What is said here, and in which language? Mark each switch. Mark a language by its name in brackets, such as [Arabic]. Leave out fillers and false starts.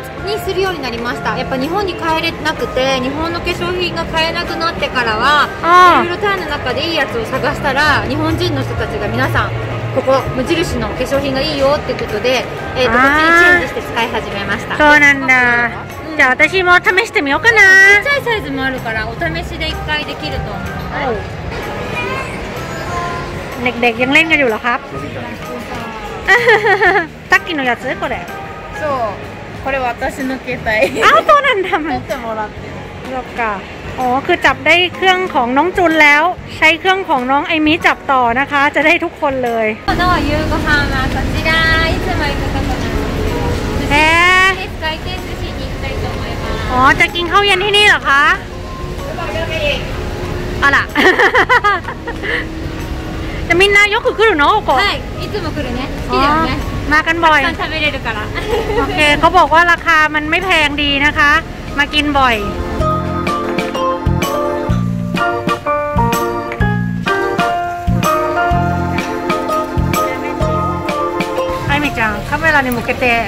[Japanese] にするようになりました。やっぱ日本に帰れなくて、日本の化粧品が買えなくなってからは、いろいろタイの中でいいやつを探したら、日本人の人たちが皆さんここ無印の化粧品がいいよってことで、こっちにチェンジして使い始めました。そうなんだ。じゃあ私も試してみようかな。小さいサイズもあるからお試しで一回できると思う。 [Thai] เด็กๆยังเล่นกันอยู่เหรอครับ？ [Japanese] さっきのやつこれそうこれ私の携帯あそうなんだ持ってもらってそっかおー [Thai] คือจับได้เครื่องของน้องจุนแล้วใช้เครื่องของน้องไอมิจับต่อนะคะจะได้ทุกคนเลย [Japanese] この夕ご飯はこちらいつも行くところなんですよ回転寿司に行きたいと思います [Thai] おーจะกินข้าวเย็นที่นี่เหรอคะ เดี๋ยวไปเดี๋ยวไป อะล่ะแต่ [Japanese] みんなよく来るのここはいいつも来るね好きだよね [Thai] มากันบ่อย ทานได้เลยค่ะ โอเคเขาบอกว่าราคามันไม่แพงดีนะคะมากินบ่อยไอ้เมจังคาเมลานิมุเกเต